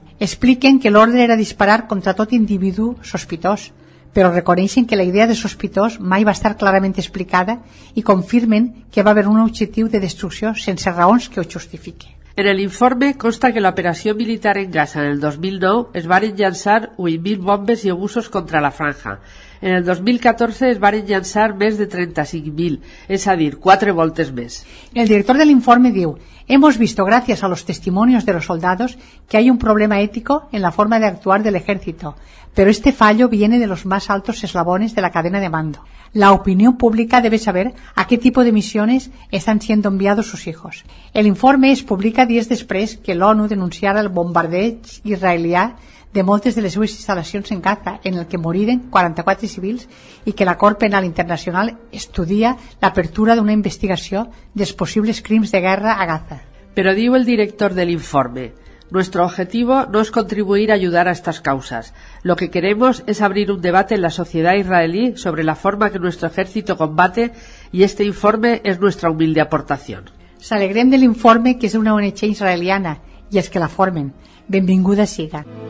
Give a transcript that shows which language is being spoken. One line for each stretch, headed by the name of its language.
Catalan: Expliquen que l'ordre era disparar contra tot individu sospitós, però reconeixen que la idea de sospitós mai va estar clarament explicada i confirmen que va haver un objectiu de destrucció sense raons que ho justifiqui.
Spanish: En el informe consta que la operación militar en Gaza en el 2009
Catalan: es varen llançar 8.000 bombes i obusos contra la franja. En el 2014 es varen llançar més de 35.000, és a dir, 4 voltes més.
Spanish: El director del informe diu: "Hemos visto, gracias a los testimonios de los soldados, que hay un problema ético en la forma de actuar del ejército, pero este fallo viene de los más altos eslabones de la cadena de mando. La opinión pública debe saber a qué tipo de misiones están siendo enviados sus hijos".
Catalan: El informe es publica días después que l'ONU denunciara el bombardeig israelí de moltes de les seves instal·lacions en Gaza, en el que moriren 44 civils, i que la Cort Penal Internacional estudia l'apertura d'una investigació dels possibles crims de guerra a Gaza. Però diu el director de l'informe:
Spanish: "Nuestro objetivo no es contribuir a ayudar a estas causas. Lo que queremos es abrir un debate en la sociedad israelí sobre la forma que nuestro ejército combate, y este informe es nuestra humilde aportación".
Catalan: S'alegrem de l'informe, que és una ONG israeliana, i els que la formen. Benvinguda siga.